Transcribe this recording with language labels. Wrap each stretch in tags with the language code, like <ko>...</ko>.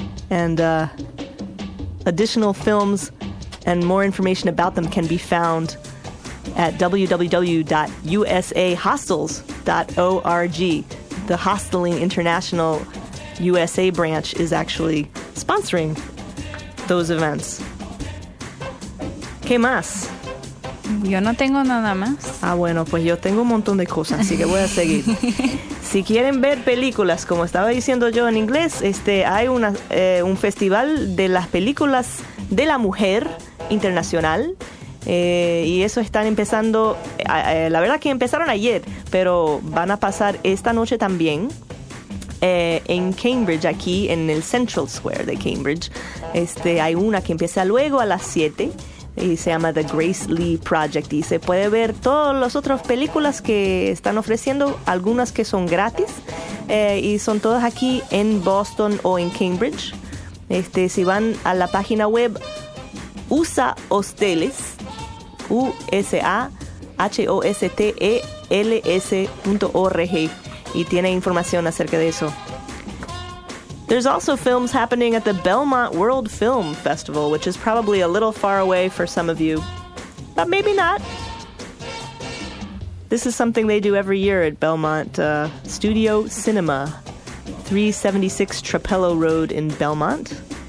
<en>And additional films and more information about them can be found at www.usahostels.org. The Hosteling International USA branch is actually sponsoring those events.</en> <es>¿Qué más? Yo no tengo nada más. Ah, bueno, pues yo tengo un montón de cosas, así que voy a seguir. Si quieren ver películas, como estaba diciendo yo en inglés, hay un festival de las películas de la mujer internacional, y eso están empezando, la verdad que empezaron ayer, pero van a pasar esta noche también en Cambridge, aquí en el Central Square de Cambridge. Hay una que empieza luego a las 7 y se llama The Grace Lee Project, y se puede ver todas las otras películas que están ofreciendo, algunas que son gratis, y son todas aquí en Boston o en Cambridge. Si van a la página web USA Hosteles, USAHOSTELS.org, y tiene información acerca de eso.</es> <en>There's also films happening at the Belmont World Film Festival, which is probably a little far away for some of you, but maybe not. This is something they do every year at Belmont Studio Cinema, 376 Trapello Road in Belmont.</en>